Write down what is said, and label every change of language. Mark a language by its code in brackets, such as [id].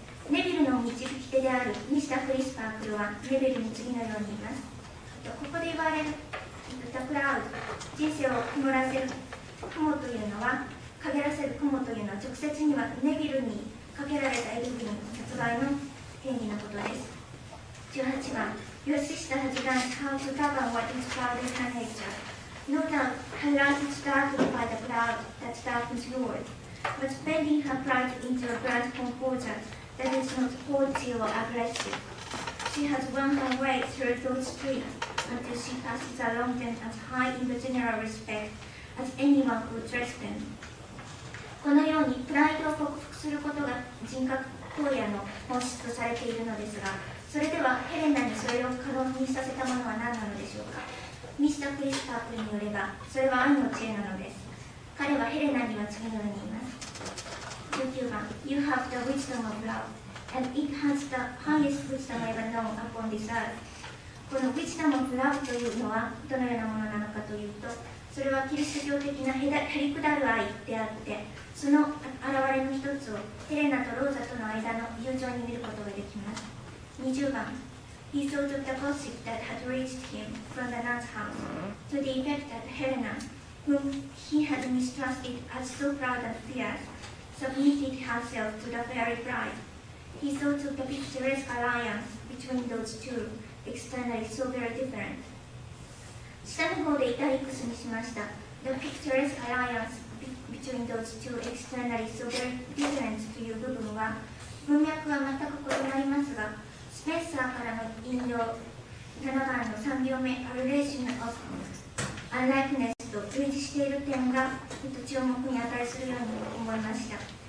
[ja] ネビルの導き手であるミスター・クリス・パークルはネビルに次のように言います。ここで言われるザ・クラウド、人生を曇らせる雲というのは、陰らせる雲というのは直接にはネビルにかけられたエルヴィン殺害の権利のことです。 [en] 18番、Your sister has done how to govern what is called her nature. No doubt, her life is darkened by the cloud that darkens yours. But bending her pride into a grand composure that is not haughty or aggressive, she has won her way through those streets until she passes along them as high in the general respect as anyone who dressed them. [ja] このように、プライドを克服することが人格荒野の本質とされているのですが、それではヘレナにそれを可能にさせたものは何なのでしょうか。ミスター・クリスパークによれば、それは愛の知恵なのです。彼はヘレナには次のように言います。 [en] 19番、You have the wisdom of love, and it has the highest wisdom ever known upon this earth. [ja] この [en] wisdom of love [ja] というのは、どのようなものなのかというと、それはキリスト教的なへりくだる愛であって、その現れの一つをヘレナとローザとの間の友情に見ることができます。 [en] 20番 He thought of the gossip that had reached him from the nun's house to the effect that Helena, whom he had mistrusted as so proud and fierce, submitted herself to the fairy bride. He thought of the picturesque alliance between those two, externally so very different. [ja] 下の方でイタリックスにしました。 [en] The picturesque alliance between those two, externally so very different [ja] という部分は文脈は全く異なりますが、スペンサーからの引用、7番の3行目、A Relation of Unlikeness と類似している点が注目に値するように思いました。